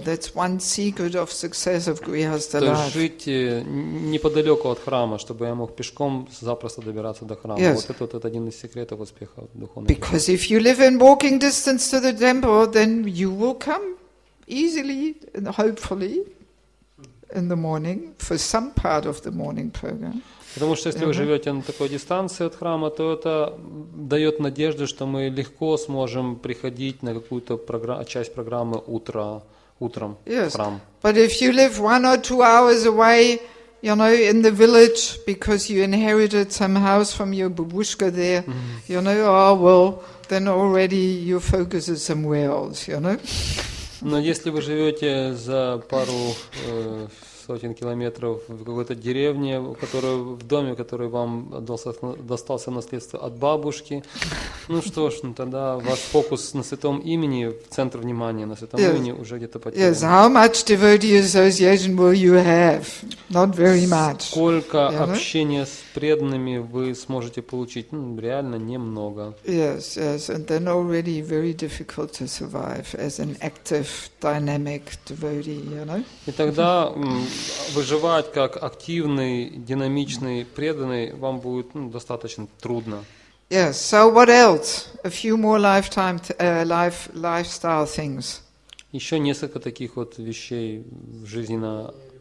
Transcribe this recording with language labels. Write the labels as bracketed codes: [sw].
[en] That's one secret of success of Grihastha life. [ru] То есть жить неподалеку от храма, чтобы я мог пешком запросто добираться до храма. [en] Yes. [ru] Вот это один из секретов успеха в духовной жизни. [en] Because if you live in walking distance to the temple, then you will come easily and hopefully in the morning for some part of the morning program. [ru] Потому что если вы живете на такой дистанции от храма, то это дает надежду, что мы легко сможем приходить на какую-то часть программы утром в храм. [en] But if you live one or two hours away, you know, in the village, because you inherited some house from your babushka there, you know, then already your focus is somewhere else, you know. [ru] Но если вы живете за пару сотен километров в какой-то деревне, в доме, который вам достался в наследство от бабушки, тогда ваш фокус на Святом Имени, в центр внимания на Святом Имени уже где-то потерян. [en] Yes, how much devotee association will you have? Not very much. [ru] Сколько общения с преданными вы сможете получить? Ну, реально немного. [en] Yes, and then already very difficult to survive as an active, dynamic devotee, you know? [ru] И тогда выживать как активный, динамичный, преданный вам будет достаточно трудно. [en] Yes, so what else? A few more lifestyle things. [ru] Еще несколько таких вот вещей в жизни на...